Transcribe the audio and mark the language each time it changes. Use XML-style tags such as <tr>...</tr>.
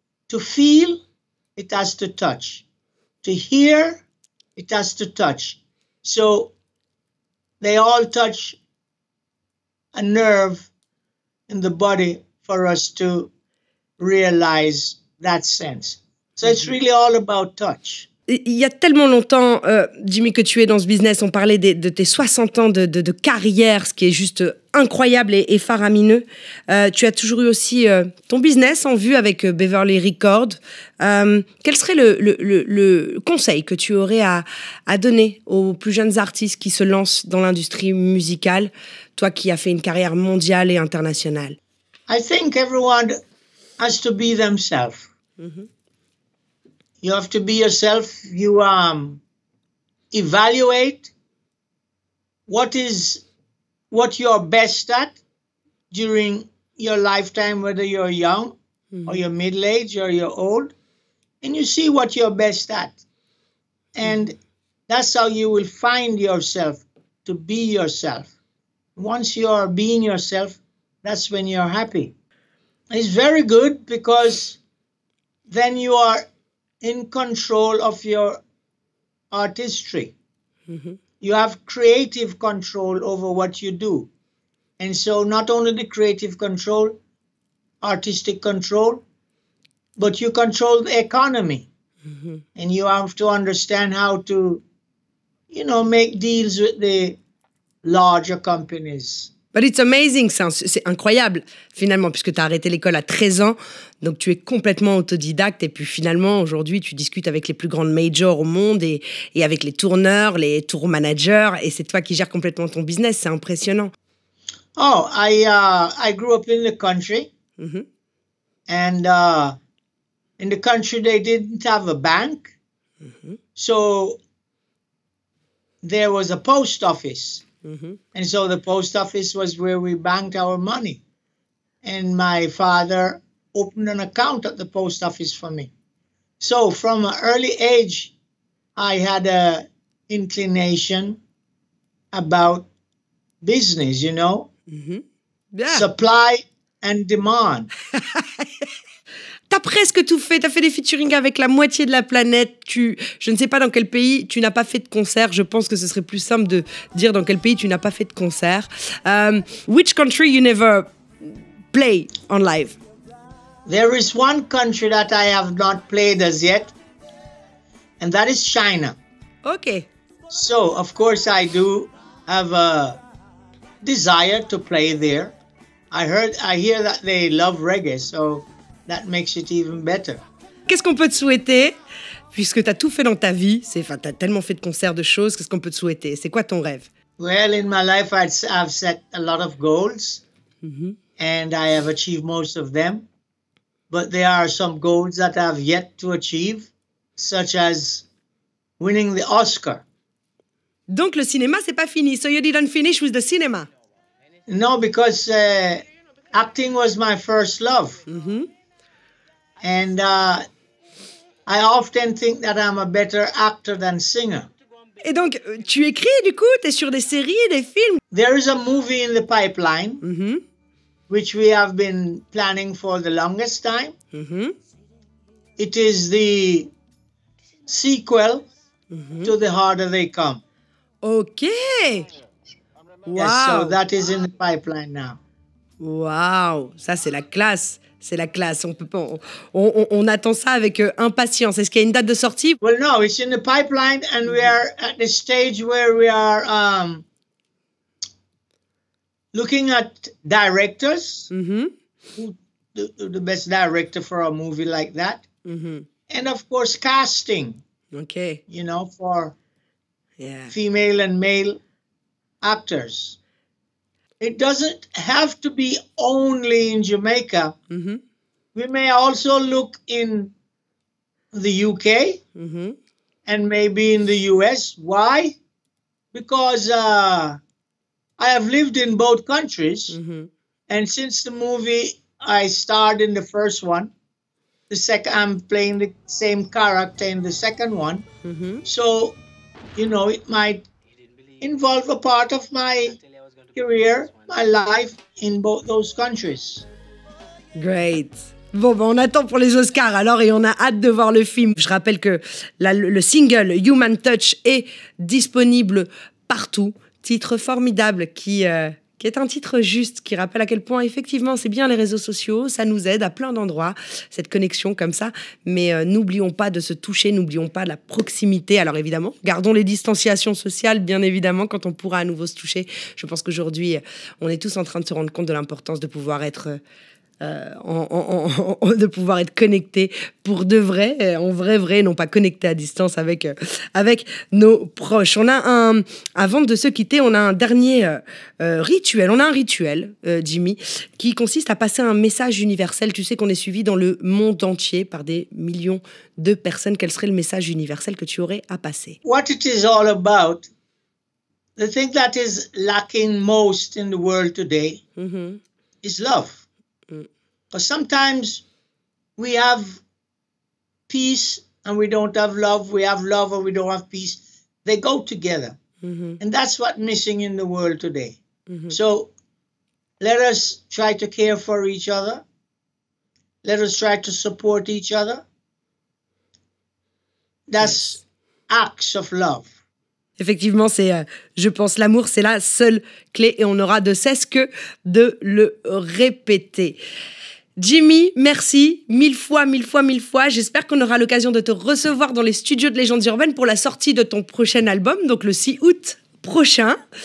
<en>To feel, it has to touch. To hear, it has to touch. So they all touch a nerve in the body for us to realize that sense. So mm-hmm. it's really all about touch.</en> <fr>Il y a tellement longtemps, Jimmy, que tu es dans ce business, on parlait de tes 60 ans de carrière, ce qui est juste incroyable et faramineux. Tu as toujours eu aussi ton business en vue avec Beverly Records. Quel serait le conseil que tu aurais à donner aux plus jeunes artistes qui se lancent dans l'industrie musicale, toi qui as fait une carrière mondiale et internationale?</fr> <en>I think everyone has to be themselves. Mm-hmm. You have to be yourself. You evaluate what you're best at during your lifetime, whether you're young mm-hmm. or you're middle-aged or you're old, and you see what you're best at. And that's how you will find yourself, to be yourself. Once you are being yourself, that's when you're happy. It's very good because then you are in control of your artistry. Mm-hmm. You have creative control over what you do. And so not only the creative control, artistic control, but you control the economy. Mm-hmm. And you have to understand how to, you know, make deals with the larger companies. But it's amazing,</en> <fr>c'est incroyable, finalement, puisque tu as arrêté l'école à 13 ans, donc tu es complètement autodidacte, et puis finalement, aujourd'hui, tu discutes avec les plus grandes majors au monde, et avec les tourneurs, les tour managers, et c'est toi qui gères complètement ton business, c'est impressionnant.</fr> <en>Oh, I grew up in the country, mm-hmm. and in the country, they didn't have a bank, mm-hmm. so there was a post office. Mm-hmm. And so the post office was where we banked our money. And my father opened an account at the post office for me. So from an early age, I had an inclination about business, you know, mm-hmm. yeah. supply and demand.</en> <fr>T'as presque tout fait, t'as fait des featuring avec la moitié de la planète, je ne sais pas dans quel pays tu n'as pas fait de concert, je pense que ce serait plus simple de dire dans quel pays tu n'as pas fait de concert.</fr> <en>Which country you never play on live? There is one country that I have not played as yet, and that is China. Okay. So, of course, I do have a desire to play there. I hear that they love reggae, so that makes it even better.</en> <fr>Qu'est-ce qu'on peut te souhaiter, puisque tu as tout fait dans ta vie, tu as tellement fait de concerts, de choses, qu'est-ce qu'on peut te souhaiter? C'est quoi ton rêve?</fr> <en>Well, in my life, I've set a lot of goals, mm-hmm. and I have achieved most of them. But there are some goals that I have yet to achieve, such as winning the Oscar.</en> <fr>Donc le cinéma, c'est pas fini.</fr> <en>So you didn't finish with the cinema? No, because acting was my first love. Mm-hmm. And I often think that I'm a better actor than singer.</en> <fr>Et donc, tu écris du coup, t'es sur des séries, des films.</fr> <en>There is a movie in the pipeline, mm-hmm. which we have been planning for the longest time. Mm-hmm. It is the sequel mm-hmm. to The Harder They Come. Okay. Wow. Yes, so that is in the pipeline now.</en> <fr>Wow, ça c'est la classe. C'est la classe. On peut pas. On attend ça avec impatience. Est-ce qu'il y a une date de sortie?</fr> <en>Well, no, it's in the pipeline, and we are at the stage where we are looking at directors, the best director for a movie like that, and of course casting. Okay. You know, for female and male actors. It doesn't have to be only in Jamaica. We may also look in the UK and maybe in the US. Why? Because I have lived in both countries. And since the movie, I starred in the first one. The second, I'm playing the same character in the second one. So, you know, it might involve a part of my career, my life in both those countries. Great.</en> <fr>Bon, ben on attend pour les Oscars alors et on a hâte de voir le film. Je rappelle que le single Human Touch est disponible partout. Titre formidable qui est un titre juste, qui rappelle à quel point effectivement c'est bien les réseaux sociaux, ça nous aide à plein d'endroits, cette connexion comme ça. Mais n'oublions pas de se toucher, n'oublions pas la proximité. Alors évidemment, gardons les distanciations sociales, bien évidemment, quand on pourra à nouveau se toucher. Je pense qu'aujourd'hui, on est tous en train de se rendre compte de l'importance de pouvoir être... de pouvoir être connecté pour de vrai, en vrai vrai, non pas connecté à distance avec avec nos proches. On a un, avant de se quitter, on a un dernier rituel. On a un rituel, Jimmy, qui consiste à passer un message universel. Tu sais qu'on est suivi dans le monde entier par des millions de personnes. Quel serait le message universel que tu aurais à passer?</fr> <en>What it is all about, the thing that is lacking most in the world today, is love. Because sometimes we have peace and we don't have love. We have love and we don't have peace. They go together. And that's what's missing in the world today. So let us try to care for each other. Let us try to support each other. That's acts of love.</en> <fr>Effectivement, c'est, je pense, l'amour, c'est la seule clé et on n'aura de cesse que de le répéter. Jimmy, merci mille fois, mille fois, mille fois. J'espère qu'on aura l'occasion de te recevoir dans les studios de Légendes Urbaines pour la sortie de ton prochain album, donc le 6 août prochain.</fr>